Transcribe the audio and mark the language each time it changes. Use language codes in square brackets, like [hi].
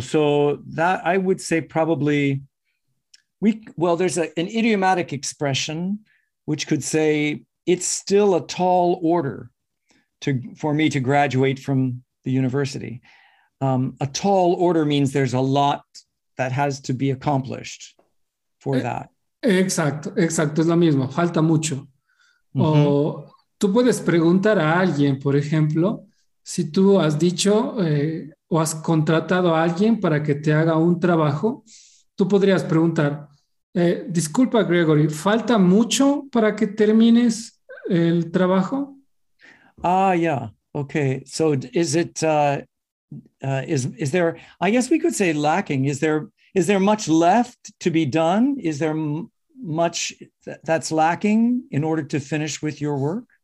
[en] So that I would say probably, there's an idiomatic expression which could say, it's still a tall order for me to graduate from the university. A tall order means there's a lot that has to be accomplished for that. [es] Exacto, es lo mismo, falta mucho. Mm-hmm. O tú puedes preguntar a alguien, por ejemplo, si tú has dicho o has contratado a alguien para que te haga un trabajo, tú podrías preguntar, disculpa, Gregory, ¿falta mucho para que termines el trabajo? [en] Okay. So is there, I guess we could say lacking. Is there much left to be done? Is there much that's lacking in order to finish with your work?